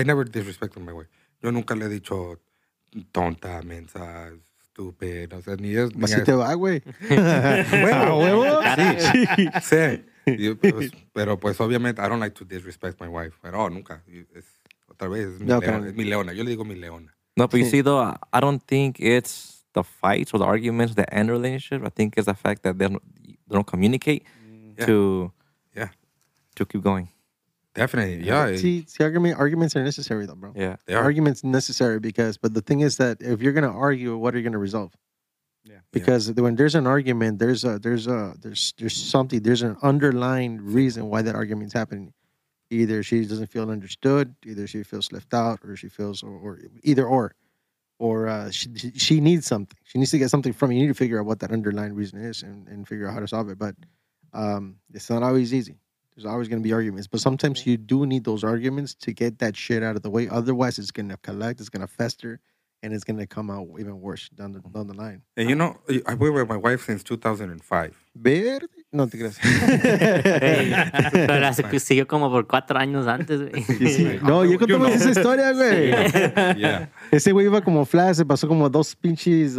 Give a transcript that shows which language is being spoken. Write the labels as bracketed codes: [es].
[en] I never disrespected my wife. [es] Yo nunca le he dicho tonta, mensa, estúpida, no sé, ni es. Así si te va, güey. Bueno, huevo. Sí. Yo, pero pues obviamente, [en] I don't like to disrespect my wife, [es] pero nunca. Es, otra vez, es mi, no, leona, es mi leona. Yo le digo mi leona. No, pero sí, [en] though, I don't think it's the fights or the arguments that end relationship, I think is the fact that they don't communicate to keep going. Definitely, yeah. See, arguments are necessary though, bro. Yeah. They are. Arguments necessary but the thing is that if you're going to argue, what are you going to resolve? Yeah. Because when there's an argument, there's an underlying reason why that argument's happening. Either she doesn't feel understood, either she feels left out, or she feels, or. Or she needs something. She needs to get something from you. You need to figure out what that underlying reason is and figure out how to solve it. But it's not always easy. There's always going to be arguments. But sometimes you do need those arguments to get that shit out of the way. Otherwise, it's going to collect. It's going to fester. And it's going to come out even worse down the line. And you know, I've been with my wife since 2005. [es] Verde. No te creas. Pero se siguió como por 4 años antes, güey. Sí, sí. No, yo contamos esa historia, güey. Sí, yeah. Ese güey iba como flash, se pasó como 2 pinches.